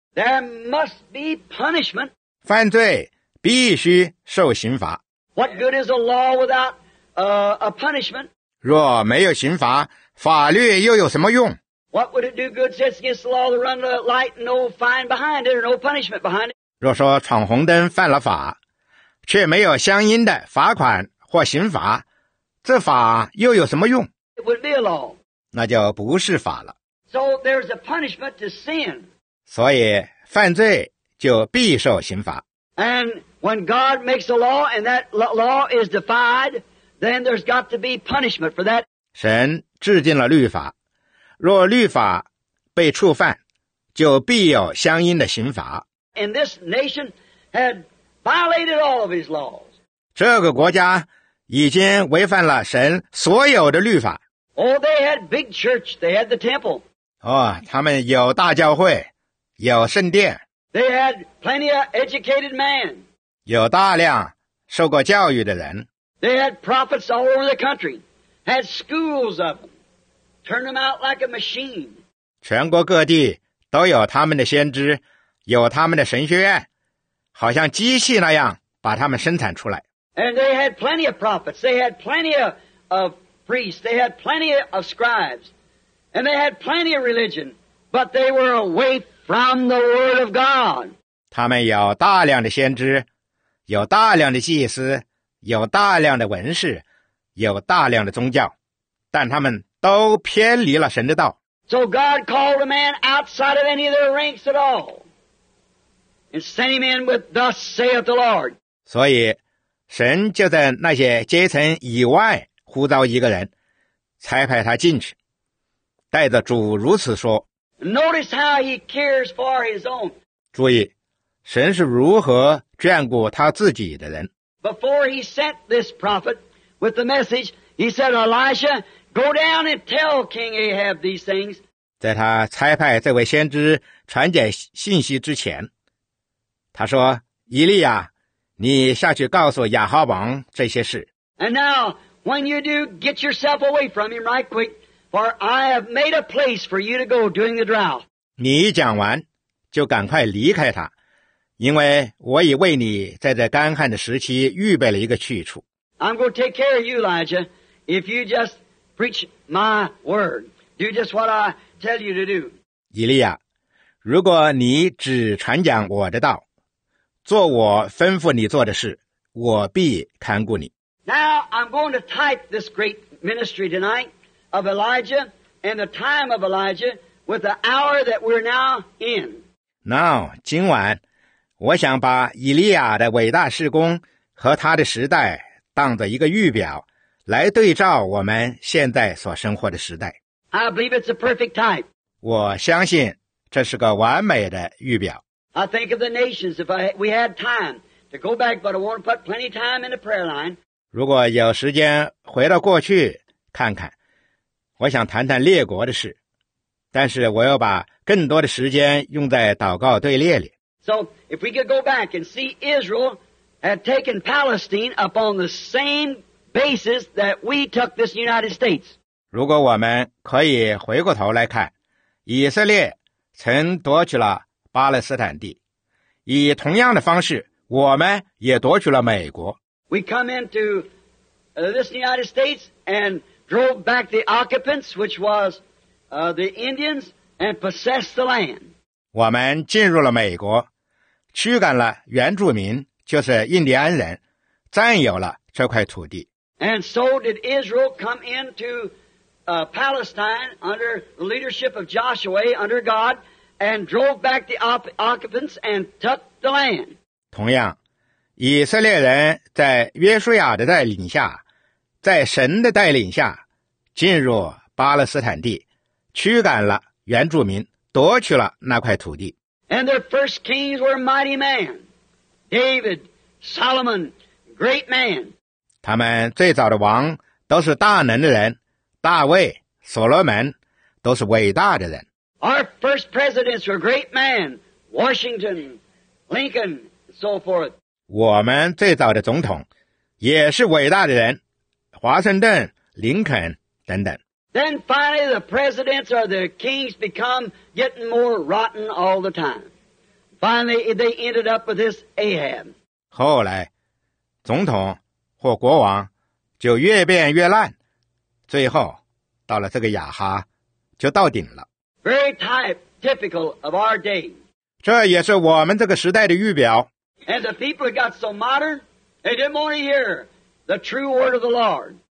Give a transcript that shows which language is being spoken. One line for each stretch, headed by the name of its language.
English: There must be punishment.
Chinese: 犯罪必须受刑罚。
English: What good is a law without a punishment?
Chinese: 若没有刑罚，法律又有什么用？
English: What would it do good since against the law to run the light and no fine behind it or no punishment behind it?
Chinese: 若说闯红灯犯了法，却没有相应的罚款或刑罚，这法又有什么用？
English: It would be a law.
Chinese: 那就不是法了。
English: So there's a punishment to sin.
Chinese: 所以犯罪就必受刑罚。
English: And when God makes a law and that law is defied, then there's got to be punishment for that.
Chinese: 神制定了律法。若律法被触犯，就必有相应的刑罚。
English: And this nation had violated all of his laws.
Chinese: 这个国家已经违反了神所有的律法。
English: Oh, they had big church. They had the temple.
Chinese: 哦，他们有大教会，有圣殿。
English: They had plenty of educated men.
Chinese: 有大量受过教育的人。
English: They had prophets all over the country. Had schools of them. Turn them out like a machine.
Chinese: 全国各地都有他们的先知，有他们的神学院，好像机器那样把他们生产出来。
English: And they had plenty of prophets. They had plenty of priests. They had plenty of scribes. And they had plenty of religion. But they were away from the word of God.
Chinese: 他们有大量的先知，有大量的祭司，有大量的文士，有大量的宗教，但他们都偏离了神的道。
English: So God called a man outside of any of their ranks at all, and sent him in with "Thus saith the Lord."
Chinese: 所以，神就在那些阶层以外呼召一个人，差派他进去，带着主如此说。
English: Notice how he cares for his own.
Chinese: 注意，神是如何眷顾他自己的人。
English: Before he sent this prophet with the message, he said, "Elisha." Go down and tell King Ahab these things.
Chinese: 在他差派这位先知传解信息之前，他说：“以利亚，你下去告诉亚哈王这些事。”
English: And now, when you do, get yourself away from him right quick, for I have made a place for you to go during the drought.
Chinese: 你一讲完，就赶快离开他，因为我已为你在这干旱的时期预备了一个去处。
English: I'm going to take care of you, Elijah, if you just. Preach my word. Do just what I tell you to do.
Chinese: 以利亚，如果你只传讲我的道，做我吩咐你做的事，我必看顾你。
English: Now I'm going to type this great ministry tonight of Elijah and the time of Elijah with the hour that we're now in.
Chinese: Now, 今晚，我想把以利亚的伟大事工和他的时代当作一个预表。来对照我们现在所生活的时代。
English: I believe it's a perfect type.
Chinese: 我相信这是个完美的预表。
English: I think of the nations, if we had time to go back, but I want to put plenty of time in the prayer line.
Chinese: 如果有时间回到过去看看，我想谈谈列国的事，但是我要把更多的时间用在祷告队列里。
English: So if we could go back and see Israel had taken Palestine upon the same basis that we took this United States.
Chinese: 如果我们可以回过头来看，以色列曾夺取了巴勒斯坦地，以同样的方式，我们也夺取了美国。
English: We come into this United States and drove back the occupants, which was the Indians, and possessed the land.
Chinese: 我们进入了美国，驱赶了原住民，就是印第安人，占有了这块土地。
English: And so did Israel come into Palestine under the leadership of Joshua, under God, and drove back the occupants and took the land.
Chinese: 同样，以色列人在约书亚的带领下，在神的带领下，进入巴勒斯坦地，驱赶了原住民，夺取了那块土地。
English: And their first kings were mighty men, David, Solomon, great man.
Chinese: 他们最早的王都是大能的人，大卫、所罗门都是伟大的人。
English: Our first presidents were great men, Washington, Lincoln, and so forth.
Chinese: 我们最早的总统也是伟大的人，华盛顿、林肯等等。
English: Then finally, the presidents or the kings become getting more rotten all the time. Finally, they ended up with this Ahab.
Chinese: 后来，总统。或国王就越变越烂，最后到了这个雅哈就到顶了。
English: Very typical of our day.
Chinese: 这也是我们这个时代的预表。
English: And the people got so modern, they didn't want to hear the true word of the Lord.